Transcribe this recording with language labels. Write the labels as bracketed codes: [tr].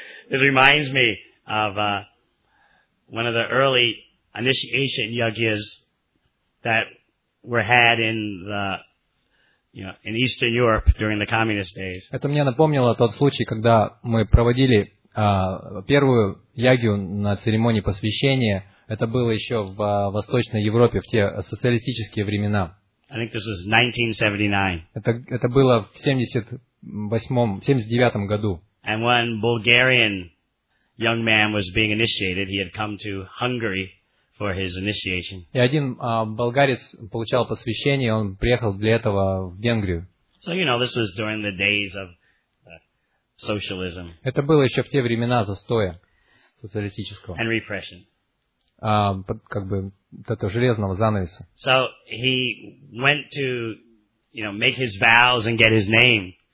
[en] It reminds me of one of the early initiation yagyas that were had in the, in Eastern Europe during the communist days. [ru] Это мне напомнило тот случай, когда мы проводили первую ягью на церемонии посвящения. Это было еще в Восточной Европе в те социалистические времена. [en] I think this was 1979. [ru] Это было в 79 году. [en] And when Bulgarian young man was being initiated, he had come to Hungary for his initiation. [ru] И один болгарец получал посвящение, он приехал для этого в Венгрию. [en] So you know, this was during the days of socialism. [ru] Это было еще в те времена застоя социалистического. [en] And repression. [ru] Как бы этого железного занавеса. [en] So he went to, you know, make his vows and get his name.